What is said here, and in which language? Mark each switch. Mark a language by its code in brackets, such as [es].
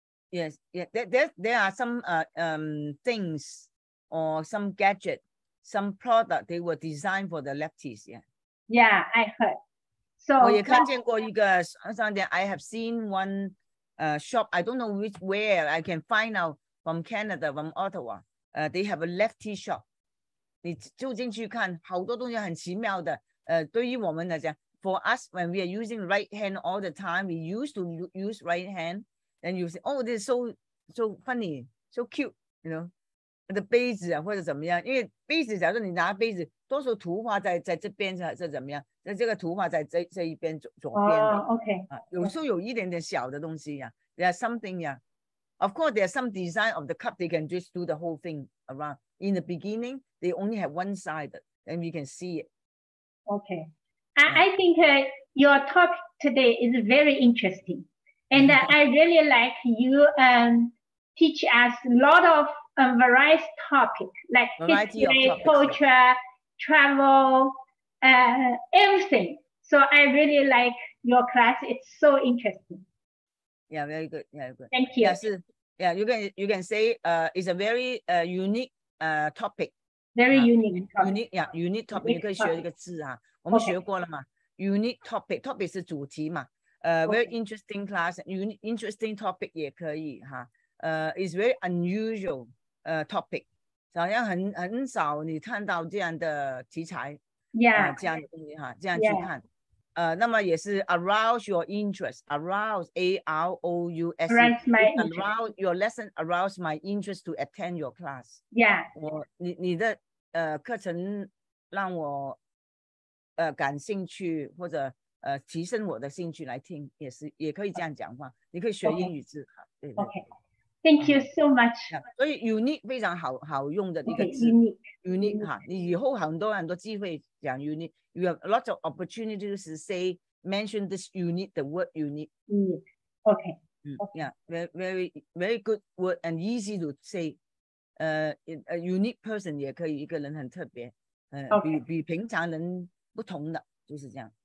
[en] Yes, yeah, there are some things or some gadget, some product they were designed for the lefties, yeah. Yeah, I heard. So, [zh] 我也看见过一个 [en] something, I have seen one,shop, I don't know where I can find out from Canada, from Ottawa. They have a lefty shop. [zh] 你就进去看，好多东西很奇妙的。对于我们来讲 [en] ，for us when we are using right hand all the time, we used to use right hand. Then you say, oh, this is so funny, so cute, you know. [zh] 的杯子啊，或者怎么样？因为杯子，假如你拿杯子，多数图画在这边是怎么样？那这个图画在这一边左边的、 [en] oh, okay. [zh] 有时候有一点点小的东西呀、 [en] 啊、，there's something 呀、啊、，of course there's some design of the cup they can just do the whole thing around. In the beginning, they only have one side, and we can see it. Okay, I think your topic today is very interesting, and I really like you teach us a lot of various topic like variety history, topics, culture,、 yeah. travel. Everything. So I really like your class. It's so interesting. Yeah, very good. Very good. Thank you. Yeah, you can say it's a very unique topic. Very unique topic. Unique, yeah, unique topic. [zh] 你可以学一个字啊。我们学过了嘛。 [en] Unique topic. [zh] Topic 是主题嘛。 [en] Very interesting class. Interesting topic [zh] 也可以哈。 [en] It's very unusual topic. [zh] 好像很少你看到这样的题材。 [en] Yeah, [zh] 这样的东西哈，这样去看， yeah. 那么也是 [en] arouse your interest, arouse A R O U S, arouse your lesson, arouse my interest to attend your class. Yeah, [zh] 你的课程让我感兴趣，或者提升我的兴趣来听，也可以这样讲话。 [en] Okay. [zh] 你可以学英语字哈，对对。 [en] Okay, thank you so much.、 [zh] 所以 unique 非常好用的一个字。 [en] Okay, unique [zh] Unique 哈，你以后很多机会讲 unique. [en] You have lots of opportunities to say mention this unique, the word unique. Unique. Okay. Yeah, very, very, very good word and easy to say. A unique person [zh] 也可以一个人很特别。比平常人不同的就是这样。